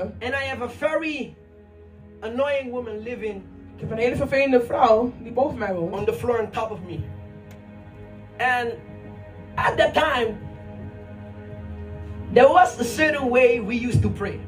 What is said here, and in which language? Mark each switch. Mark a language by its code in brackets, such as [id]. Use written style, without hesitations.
[en] And I have a very annoying woman living. [nl] Ik heb een hele vervelende vrouw die boven mij woont. [en] On the floor on top of me. And at that time, there was a certain way we used to pray.